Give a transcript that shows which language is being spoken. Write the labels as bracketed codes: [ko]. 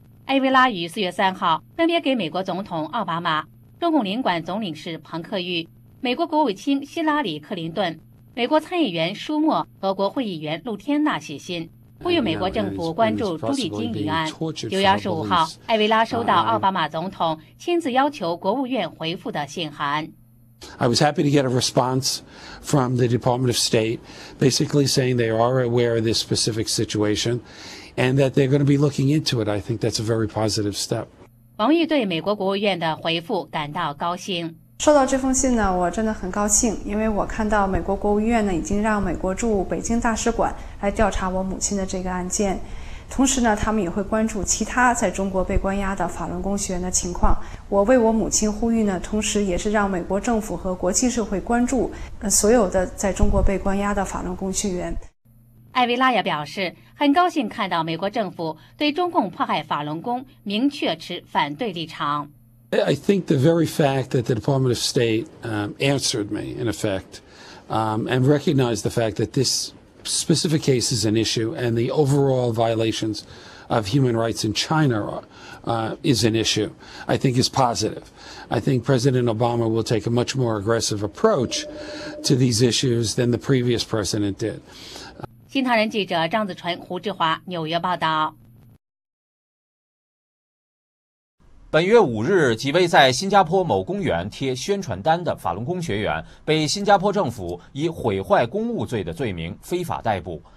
[zh] 埃维拉于4月3号分别给美国总统奥巴马、中共领馆总领事彭克玉、美国国务卿希拉里·克林顿、美国参议员舒默和国会议员露天娜写信，呼吁美国政府关注朱丽金一案。 9月25号，艾维拉收到奥巴马总统亲自要求国务院回复的信函。 [en] I was happy to get a response from the Department of State, basically saying they are aware of this specific situation and that they're going to be looking into it. I think that's a very positive step. [zh] 王玉对美国国务院的回复感到高兴。收到这封信呢，我真的很高兴，因为我看到美国国务院呢已经让美国驻北京大使馆来调查我母亲的这个案件，同时呢他们也会关注其他在中国被关押的法轮功学员的情况。我为我母亲呼吁呢，同时也是让美国政府和国际社会关注所有的在中国被关押的法轮功学员。艾维拉也表示很高兴看到美国政府对中共迫害法轮功明确持反对立场。 [en] I think the very fact that the Department of State answered me, in effect, and recognized the fact that this specific case is an issue and the overall violations of human rights in China is an issue, I think is positive. I think President Obama will take a much more aggressive approach to these issues than the previous president did. [zh] 新唐人记者张子淳、胡志华，纽约报道。本月5日，几位在新加坡某公园贴宣传单的法轮功学员被新加坡政府以毁坏公务罪的罪名非法逮捕。